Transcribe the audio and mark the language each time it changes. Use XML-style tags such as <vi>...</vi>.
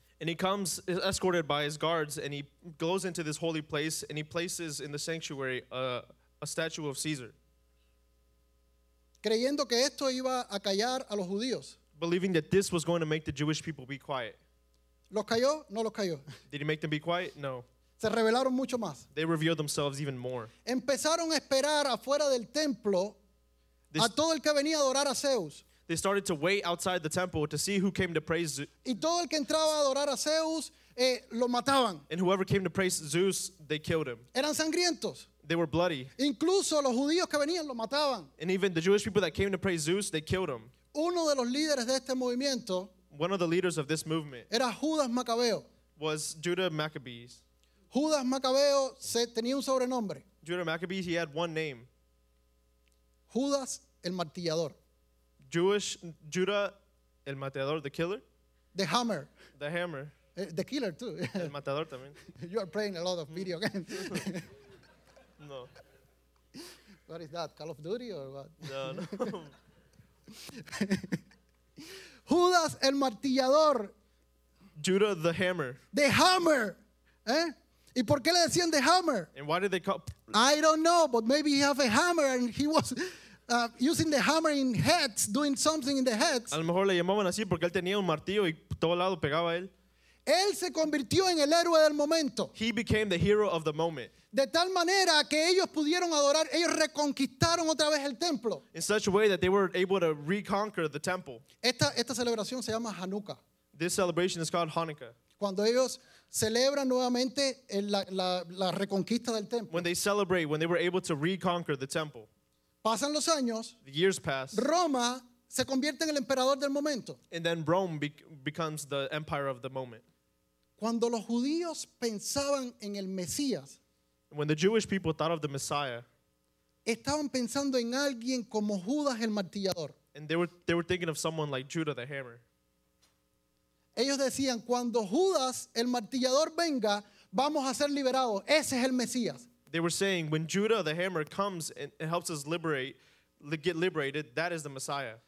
<en>And he comes escorted by his guards and he goes into this holy place and he places in the sanctuary a statue of Caesar.</en> <es>Creyendo que esto iba a callar a los judíos.</es> <en>Believing that this was going to make the Jewish people be quiet.</en> <es>¿Los cayó? No los cayó.</es> <en>Did he make them be quiet? No.</en> <es>Se revelaron mucho más.</es> <en>They revealed themselves even more.</en> <es>Empezaron a esperar afuera del templo a todo el que venía a adorar a Zeus.</es> <en>They started to wait outside the temple to see who came to praise Zeus.</en> <es>Y todo el que entraba a adorar a Zeus, lo mataban.</es> <en>And whoever came to praise Zeus, they killed him.</en> <es>Eran sangrientos.</es> <en>They were bloody.</en> <es>Incluso los judíos que venían, lo mataban.</es> <en>And even the Jewish people that came to praise Zeus, they killed him.</en> <es>Uno de los líderes de este movimiento,</es> <en>one of the leaders of this movement,</en> <es>era Judas Macabeo.</es> <en>Was Judas Maccabees.</en> <es>Judas Macabeo tenía un sobrenombre.</es> <en>Judas Maccabees, he had one name.</en> <es>Judas el Martillador.</es> <en>Jewish Judah,</en> <es>el matador,</es> <en>the killer. The hammer. The hammer. The killer too.</en> <es>El matador también.</es> <en>You are playing a lot of video games. No. What is that? Call of Duty or what? No.</en> <es>Judas el martillador.</es> <en>Judah the hammer. The hammer.</en> <es>¿Eh? ¿Y por qué le decían</es> <en>the hammer? And why did they call? I don't know, but maybe he have a hammer and he was. Using the hammer in heads, doing something in the heads.</en> <es>A lo mejor le llamaban así porque él tenía un martillo y todo lado pegaba a él. Él se convirtió en el héroe del momento.</es> <en>He became the hero of the moment.</en> <es>De tal manera que ellos pudieron adorar, ellos reconquistaron otra vez el templo.</es> <en>In such a way that they were able to reconquer the temple.</en> <es>Esta celebración se llama Hanukkah.</es> <en>This celebration is called Hanukkah.</en> <es>Cuando ellos celebran nuevamente la reconquista del templo.</es> <en>When they celebrate, when they were able to reconquer the temple.</en> <es>Pasan los años.</es> <en>The years pass.</en> <es>Roma se convierte en el emperador del momento.</es> <en>And then Rome becomes the empire of the moment.</en> <es>Cuando los judíos pensaban en el Mesías,</es> <en>when the Jewish people thought of the Messiah,</en> <es>estaban pensando en alguien como Judas el Martillador.</es> <en>And they were thinking of someone like Judah the Hammer.</en> <es>Ellos decían, cuando Judas el Martillador venga, vamos a ser liberados. Ese es el Mesías.</es> <en>They were saying, when Judah the Hammer comes and helps us get liberated, that is the Messiah.</en>